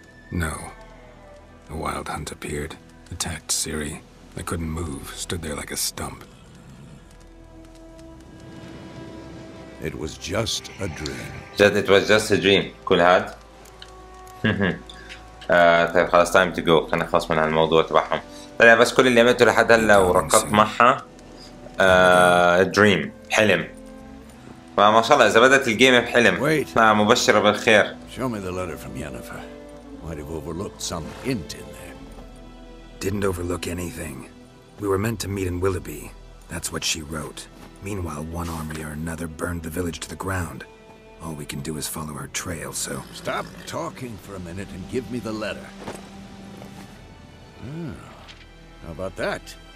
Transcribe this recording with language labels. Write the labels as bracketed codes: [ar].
[en] No. A wild hunt appeared, attacked Ciri. I couldn't move, stood there like a stump. It was just a dream. That it was just a dream. [ar] كل هاد. طيب خلاص [en] time to go. [ar] خلينا نخلص من هالموضوع تبعهم. طيب بس كل اللي عملته لحد هلا وركضت معها dream حلم. فما شاء الله إذا بدأت الجيم بحلم. [en] Wait. [ar] مبشرة بالخير. [en] Show me the letter from Yennefer. Might have overlooked some hint in there. Didn't overlook anything. We were meant to meet in Willoughby. That's what she wrote. Meanwhile, one army or another burned the village to the ground. All we can do is follow her trail, so... Stop talking for a minute and give me the letter. Oh, how about that?